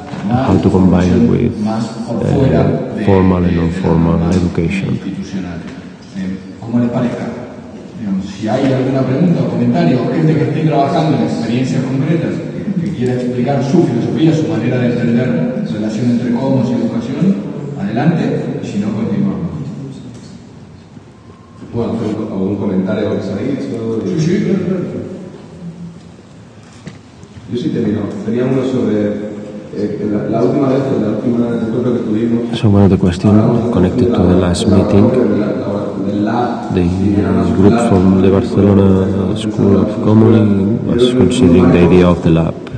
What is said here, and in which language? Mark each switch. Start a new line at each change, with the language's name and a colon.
English: How to combine it with formal and non-formal education.
Spanish: Si hay alguna pregunta o comentario o gente que esté trabajando en experiencias concretas que quiera explicar su filosofía, su manera de entender la relación entre cómo y educación, adelante, y si no, continuamos. Bueno, ¿algún comentario que salga? Sí, claro. Yo sí termino. Tenía uno sobre la última vez, la última encuentro que tuvimos.
English: So, one of the questions connected to the last meeting. The group from the Barcelona School of Commerce was considering the idea of the lab.